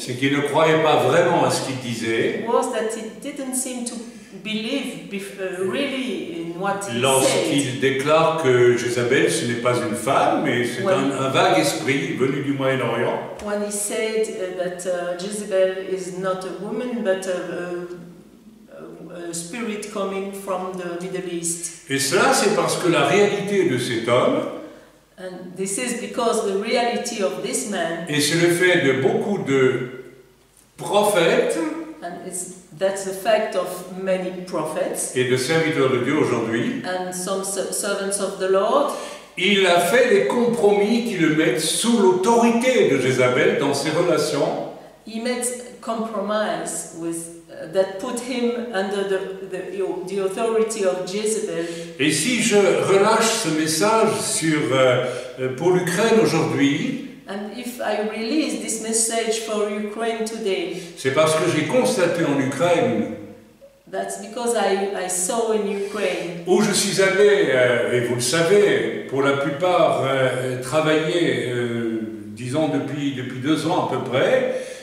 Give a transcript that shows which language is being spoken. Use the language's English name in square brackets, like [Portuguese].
[French] c'est qu'il ne croyait pas vraiment à ce qu'il disait, [English] was that he didn't seem to believe really in what he [French] lorsqu'il [English] said. [French] Déclare que Jézabel ce n'est pas une femme mais c'est un vague esprit venu du Moyen-Orient. [English] When he said that Jezebel is not a woman but a spirit coming from the Middle East. [French] Et cela, c'est parce que la réalité de cet homme, [English] and this is because the reality of this man, [French] et c'est le fait de beaucoup de prophètes, [English] and that's the fact of many prophets, [French] et de serviteurs de Dieu aujourd'hui, [English] and some servants of the Lord, [French] il a fait des compromis qui le mettent sous l'autorité de Jézabel dans ses relations. [English] He makes compromise with that put him under the authority of Jezebel. [French] Et si je relâche ce message sur pour l'Ukraine aujourd'hui, [English] and if I release this message for Ukraine today, [French] c'est parce que j'ai constaté en Ukraine, [English] that's because I saw in Ukraine, [French] où je suis allé et vous le savez pour la plupart travailler disons depuis 2 ans à peu près.